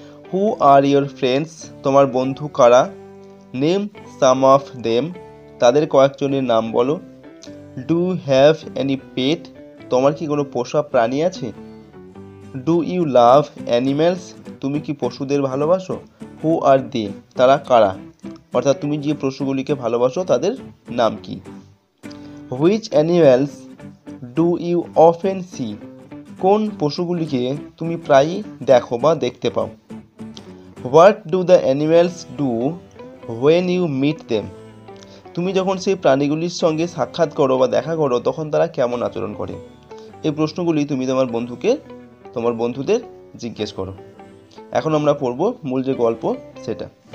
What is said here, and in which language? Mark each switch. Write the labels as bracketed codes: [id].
[en] Who are your friends [bn] তোমার বন্ধু কারা [en] Name some of them [bn] তাদের কয়েকজনের নাম বলো [en] Do you have any pet [bn] তোমার কি কোনো পোষা প্রাণী আছে [en] Do you love animals? [bn] তুমি কি পশুদের ভালোবাসো? [en] Who are they? [bn] তারা কারা? অর্থাৎ তুমি যে পশুগুলিকে ভালোবাসো তাদের নাম কি? [en] Which animals do you often see? [bn] কোন পশুগুলিকে তুমি প্রায় দেখো বা দেখতে পাও? [en] What do the animals do when you meet them? [bn] তুমি যখন সেই প্রাণীগুলির সঙ্গে সাক্ষাৎ করো বা দেখা করো তখন তারা কেমন আচরণ করে? এই প্রশ্নগুলি তুমি তোমার বন্ধুকে তোমার বন্ধুদের জিজ্ঞেস করো এখন আমরা পড়ব মূল যে গল্প সেটা